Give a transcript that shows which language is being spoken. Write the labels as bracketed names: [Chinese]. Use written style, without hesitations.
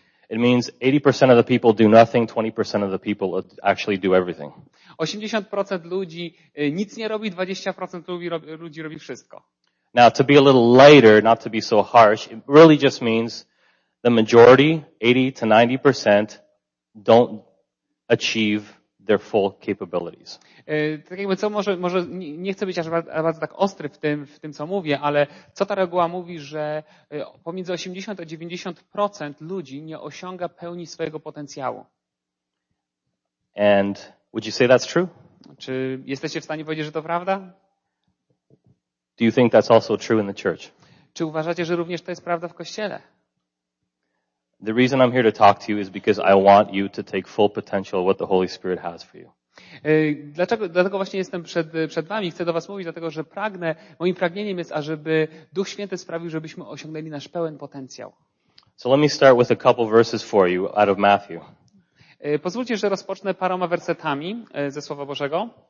[English] It means 80% of the people do nothing, 20% of the people actually do everything. [Polish] 80% ludzi nic nie robi, 20% ludzi robi wszystko. [English] Now, to be a little lighter, not to be so harsh, it really just means the majority, 80 to 90%, don't achieve their full capabilities. [Polish] Tak jakby co może nie chcę być aż bardzo tak ostry w tym co mówię, ale co ta reguła mówi, że pomiędzy 80 a 90% ludzi nie osiąga pełni swojego potencjału. [English] And would you say that's true? [Polish] Czy jesteście w stanie powiedzieć, że to prawda? [English] Do you think that's also true in the church? [Polish] Czy uważacie, że również to jest prawda w kościele? [English] The reason I'm here to talk to you is because I want you to take full potential of what the Holy Spirit has for you. [Polish] Dlatego właśnie jestem przed wami, chcę do was mówić, dlatego że pragnę, moim pragnieniem jest, ażeby Duch Święty sprawił, żebyśmy osiągnęli nasz pełen potencjał. [English] So let me start with a couple verses for you out of Matthew. [Polish] Pozwólcie, że rozpocznę paroma wersetami ze Słowa Bożego.